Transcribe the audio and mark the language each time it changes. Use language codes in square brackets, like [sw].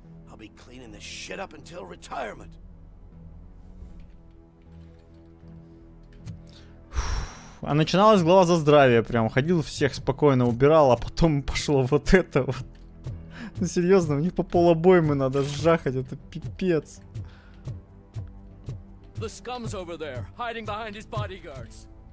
[en] I'll be cleaning this shit up until retirement. [ru] А начиналась глава за здравие прям. Ходил, всех спокойно убирал, а потом пошло вот это вот. Ну серьезно, у них по полобоймы надо жахать, это пипец. [en] The scum's over there, hiding behind his bodyguards.